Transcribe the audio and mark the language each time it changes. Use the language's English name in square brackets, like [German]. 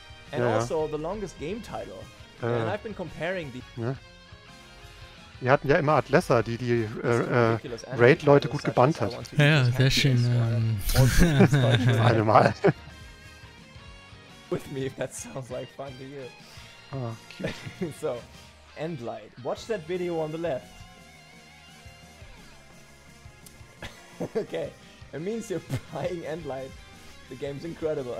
[English] And also the longest game title. And I've been comparing the... [German] Ja. Wir hatten ja immer Atlessa, die die Raid-Leute gut gebannt hat. Ja, sehr schön. Einmal. [English] With me, that sounds like fun to you. Oh, cute. So, Endlight. Watch that video on the left. Okay, it means you're buying Endlight. The game's incredible.